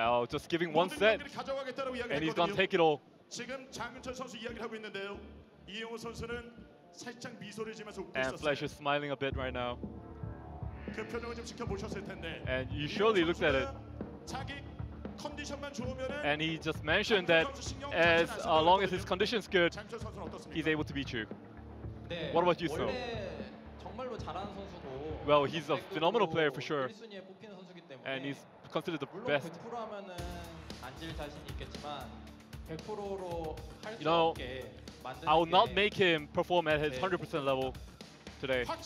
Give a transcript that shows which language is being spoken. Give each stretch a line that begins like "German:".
English: Just giving one set, and he's gonna take it all.
Korean: 지금 장윤철 선수 이야기를 하고 있는데요. 이영호 선수는 살짝 미소를 지면서 웃고
English: And Flash is smiling a bit right now.
Korean: 그 표정을 좀 지켜보셨을 텐데.
English: And you surely looked at it.
Korean: 자기 컨디션만 좋으면은.
English: And he just mentioned that as long as his condition is good, he's able to beat you.
Korean: 네.
English: What about you, so?
Korean: 정말로 잘하는 선수고.
English: Well, he's a phenomenal player for sure.
Korean: 1순위에 뽑히는 선수기 때문에.
English: And he's considered the best.
Korean: 100% 하면은 앉을 자신이 있겠지만.
English: You know, I will not make him perform at his 100% level today.